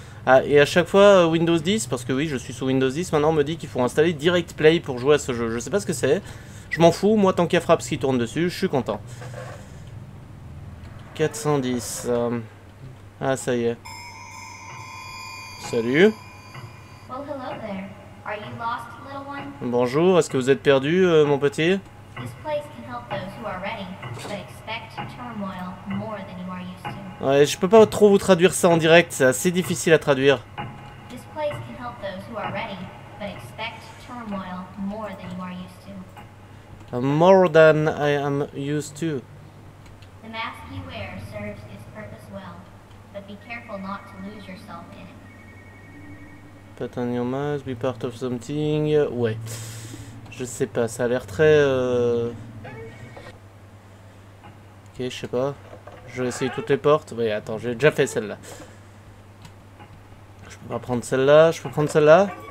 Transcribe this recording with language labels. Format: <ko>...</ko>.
<fr>Ah, et à chaque fois, Windows 10, parce que oui, je suis sous Windows 10, maintenant on me dit qu'il faut installer Direct Play pour jouer à ce jeu. Je sais pas ce que c'est, je m'en fous, moi tant qu'il y a Fraps qui tourne dessus, je suis content. 410. Ah, ça y est. Salut.</fr> <en>Well, hello there. Are you lost, little one?</en> <fr>Bonjour, est-ce que vous êtes perdu, mon petit?</fr> <en>This place can help those who are ready, but expect turmoil more than you are used to.</en> <fr>Ouais, je peux pas trop vous traduire ça en direct, c'est assez difficile à traduire.</fr> <en>This place can help those who are ready, but expect turmoil more than you are used to. More than I am used to. The mask you wear serves its purpose well, but be careful not to lose yourself in it. Put on your mask, be part of something.</en> <fr>Ouais. Je sais pas, ça a l'air très. Ok, je sais pas. Je vais essayer toutes les portes. Oui, attends, j'ai déjà fait celle-là. Je peux pas prendre celle-là, je peux prendre celle-là.</fr>